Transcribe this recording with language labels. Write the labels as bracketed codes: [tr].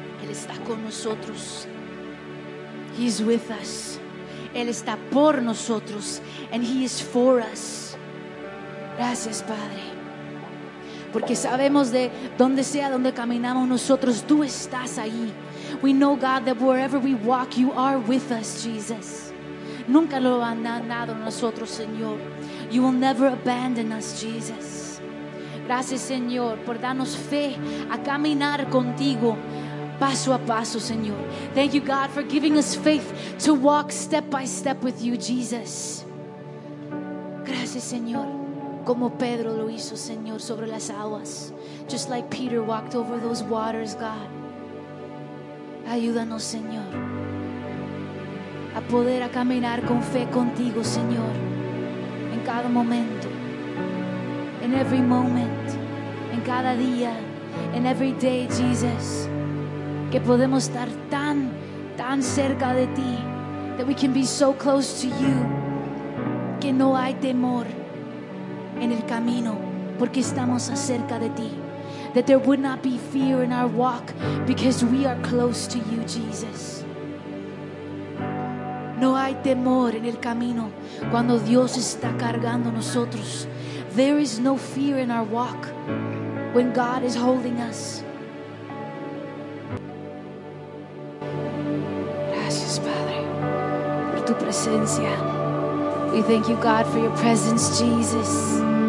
[es] Está con nosotros. [en] He's with us. [es] Él está por nosotros. [en] And he is for us. [es] Gracias, Padre. Porque sabemos de donde sea donde caminamos nosotros, tú estás ahí. [en] We know, God, that wherever we walk, you are with us, Jesus. [es] Nunca lo han abandonado nosotros, Señor. [en] You will never abandon us, Jesus. [es] Gracias, Señor, por darnos fe a caminar contigo. Paso a paso, Señor. [en] Thank you, God, for giving us faith to walk step by step with you, Jesus. [es] Gracias, Señor. Como Pedro lo hizo, Señor, sobre las aguas. [en] Just like Peter walked over those waters, God. [es] Ayúdanos, Señor, a poder a caminar con fe contigo, Señor. En cada momento. [en] In every moment. [es] En cada día. [en] In every day, Jesus. [es] Que podemos estar tan cerca de ti. [en] That we can be so close to you. [es] Que no hay temor en el camino. Porque estamos cerca de ti. [en] That there would not be fear in our walk. Because we are close to you, Jesus. [es] No hay temor en el camino. Cuando Dios está cargando nosotros. [en] There is no fear in our walk when God is holding us. [es] Gracias, Padre, por tu presencia. [en] We thank you, God, for your presence, Jesus.